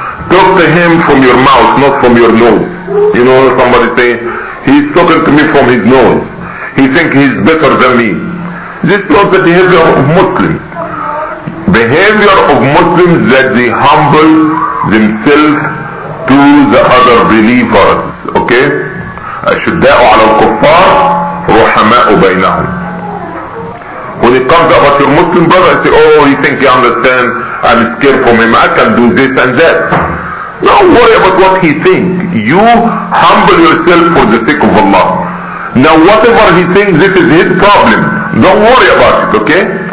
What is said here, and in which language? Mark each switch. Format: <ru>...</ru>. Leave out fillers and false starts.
<en>Talk to him from your mouth, not from your nose. You know what somebody say? He's talking to me from his nose. He think he's better than me. This is not the behavior of Muslims. Behavior of Muslims that they humble themselves to the other believers. Okay?</en> <ar>أشداءُ على الكفار رحماءُ بينهم.</ar> <en>When it comes about your Muslim brother, I say, oh, you think you understand, I'm scared from him, I can do this and that. Don't worry about what he thinks. You humble yourself for the sake of Allah. Now whatever he thinks, this is his problem. Don't worry about it, okay?</en>